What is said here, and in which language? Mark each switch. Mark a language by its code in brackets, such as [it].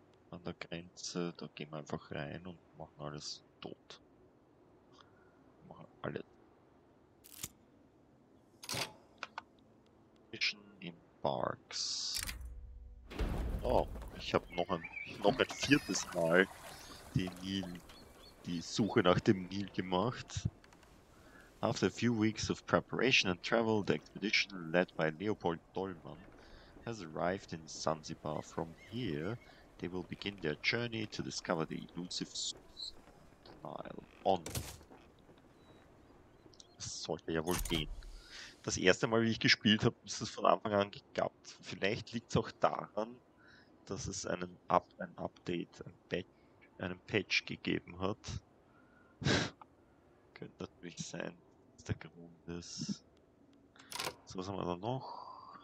[de] An der Grenze, da gehen wir einfach rein und machen alles tot. Machen alle. Mission Embarks. Oh, ich habe noch ein viertes Mal die Suche nach dem Nil gemacht. [en] After a few weeks of preparation and travel, the expedition led by Leopold Dollmann has arrived in Zanzibar. From here, they will begin their journey to discover the elusive Nile. On. [de] Das sollte ja wohl gehen. Das erste Mal, wie ich gespielt habe, ist es von Anfang an geklappt. Vielleicht liegt es auch daran, dass es einen ein Update, einen Patch gegeben hat. Könnte natürlich sein, dass der Grund ist. So, was haben wir da noch?